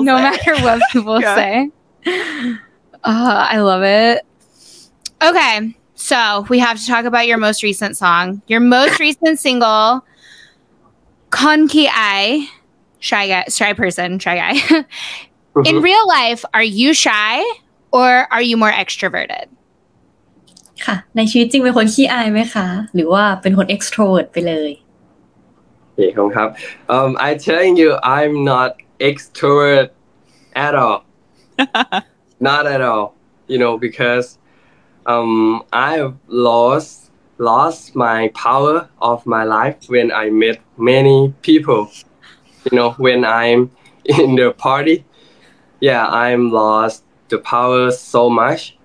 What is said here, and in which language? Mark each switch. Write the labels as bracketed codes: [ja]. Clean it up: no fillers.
[en] say. No matter what people yeah. say. I love it. Okay. So we have to talk about your most recent song. Your most recent single, Con Khi Ai. Shy guy. In real life, are you shy or are you more extroverted? [th] ค่ะในชีวิตจริงเป็นคนขี้อายไหมคะหรือว่าเป็นคน extrovert ไปเลย โอเคครับ [en] I telling you I'm not extrovert at all not at all you know because I've lost my power of my life when I met many peopleYou know, when I'm in the party, yeah, I'm lost the power so much.